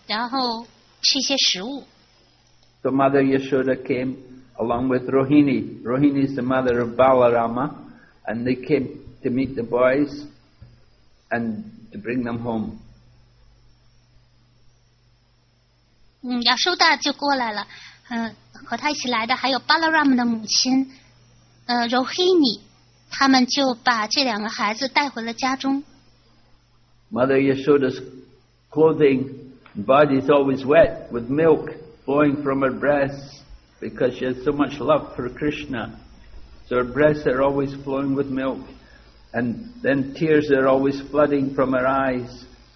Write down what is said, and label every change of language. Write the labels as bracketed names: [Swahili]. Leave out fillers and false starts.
[Chinese] 如果你们不马上迅速回家的话，你们的母亲就会变得不快乐，所以你们马上回家沐浴，然后吃一些食物。 [English] So Mother Yashoda came along with Rohini. Rohini is the mother of Balarama, and they came to meet the boys and to bring them home. [Chinese] 亚修达就过来了，和他一起来的还有Balarama的母亲，Rohini。他们就把这两个孩子带回了家中。 [English] Mother Yashoda's clothing and body is always wet with milk flowing from her breasts because she has so much love for Krishna. So her breasts are always flowing with milk, and then tears are always flooding from her eyes.